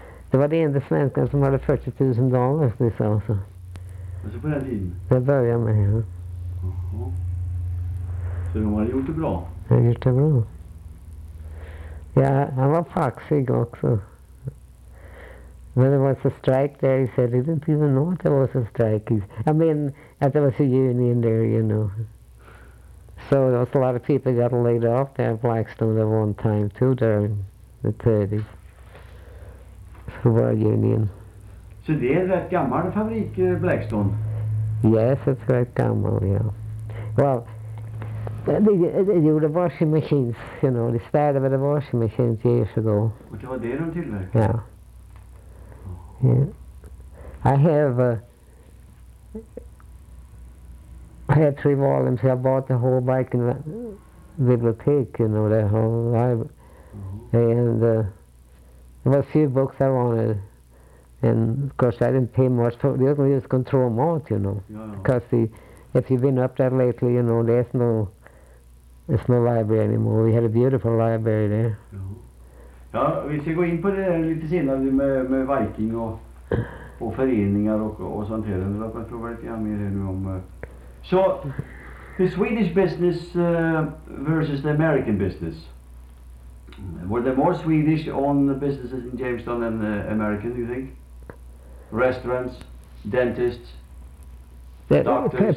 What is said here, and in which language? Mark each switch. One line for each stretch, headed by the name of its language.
Swedish: Det var det enda svenskan som hade $40,000, ni sa. Alltså på den tiden? Det började med, ja. Så de hade gjort det bra? De hade gjort det bra. Yeah, han var faxig också.
English: When there was a strike there, he said he didn't even know there was a strike. That there was a union there, you know. So there was a lot of people got laid off there at Blackstone at one time too during the 30s. So we're a union.
Swedish: So det är en rätt gammal fabrik, Blackstone?
English: Yes, it's
Swedish: rätt gammal,
English: yeah. Well, they were the washing machines, you know, they started with the washing machines years ago.
Swedish: Och det var det de tillverkade?
English: Yeah. Yeah. I had 3 volumes. I bought the whole bike in the bibliothek, you know, the whole library. Mm-hmm. And there were a few books I wanted. And of course I didn't pay much for it. You just going to throw them out, you know. Because if you've been up there lately, you know, there's no library anymore. We had a beautiful library there. Mm-hmm.
Swedish: Ja, vi ska gå in på det här lite senare med Viking och föreningar och sånt här. Men jag provar lite grann mer nu om...
English: So, the Swedish business versus the American business. Were there more Swedish on the businesses in Jamestown than the American, do you think? Restaurants, dentists, doctors?